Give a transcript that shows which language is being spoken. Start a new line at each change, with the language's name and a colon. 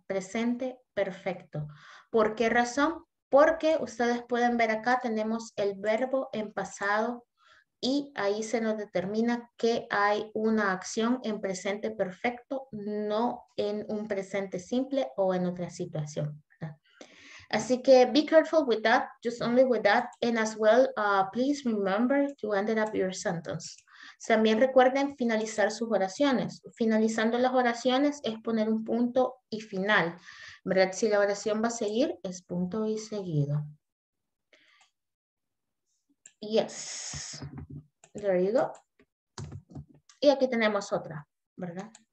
Spanish: Presente perfecto. ¿Por qué razón? Porque ustedes pueden ver acá, tenemos el verbo en pasado y ahí se nos determina que hay una acción en presente perfecto, no en un presente simple o en otra situación. Así que
English: be careful with that, just only with that, and as well, please remember to end up your sentence.
Spanish: También recuerden finalizar sus oraciones. Finalizando las oraciones es poner un punto y final, ¿verdad? Si la oración va a seguir, es punto y seguido.
English: Yes, there you go.
Spanish: Y aquí tenemos otra, ¿verdad?